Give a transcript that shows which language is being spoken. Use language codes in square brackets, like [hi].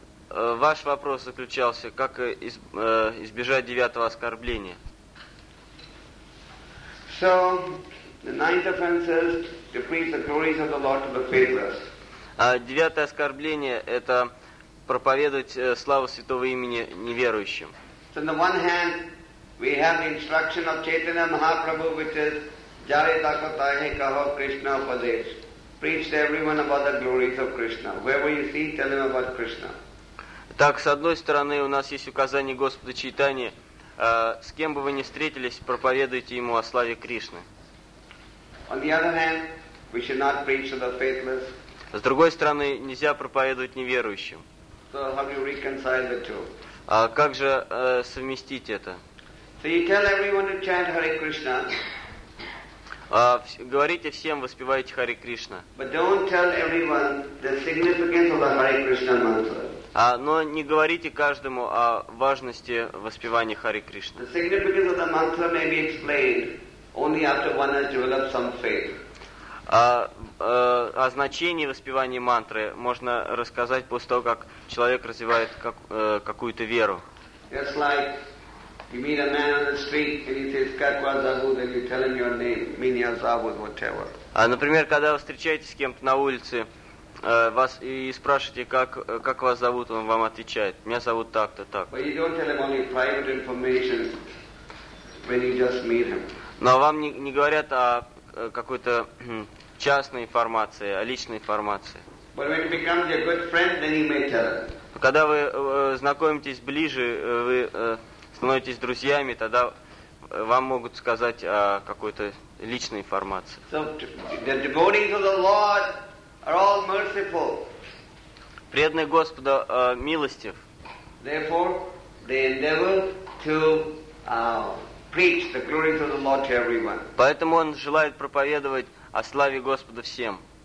[en] Ваш вопрос заключался, как избежать девятого оскорбления. So the ninth offense is to preach the glories of the Lord to the faithless. [ru] Девятое оскорбление – это проповедовать славу святого имени неверующим. [en] So on the one hand, we have the instruction of Chaitanya Mahaprabhu, which is [bn] Jare Tako Tahe Kaho Krishna Upadesh. [en] Preach to everyone about the glories of Krishna. Wherever you see, tell him about Krishna. [ru] Так, с одной стороны, у нас есть указание Господа Чайтаньи, с кем бы вы ни встретились, проповедуйте ему о славе Кришны. [en] On the other hand, we should not preach to the faithless. [ru] С другой стороны, нельзя проповедовать неверующим. [en] So how do you reconcile the two? [ru] А как же совместить это? [en] So you tell everyone to chant Hare Krishna. [ru] Говорите всем, воспевайте Hare Krishna. [en] But don't tell everyone the significance of the Hare Krishna mantra. [ru] Но не говорите каждому о важности воспевания Hare Krishna. [en] The significance of the mantra may be explained only after one has developed some faith. [ru] О значении воспевания мантры можно рассказать после того, как человек развивает какую-то веру. [en] It's like you meet a man on the street and he says, [ru] "Katwa Zahu," [en] then you tell him your name, [ru] Minya Zahu, [en] whatever. [ru] Например, когда вы встречаетесь с кем-то на улице, вас и спрашиваете, как вас зовут, он вам отвечает: "Меня зовут так-то, так." [en] But you don't tell him only private information when you just meet him. [ru] Но вам не говорят о какой-то частной информации, о личной информации. [en] But when he becomes your good friend, then you may tell him. [ru] Когда вы знакомитесь ближе, вы становитесь друзьями, тогда вам могут сказать о какой-то личной информации. [en] So the devotees of the Lord are all merciful. [ru] Преданные Господа милостив. [en] Therefore, they endeavor to preach the glories of the Lord to everyone. [ru] Поэтому он желает проповедовать о славе Господа всем.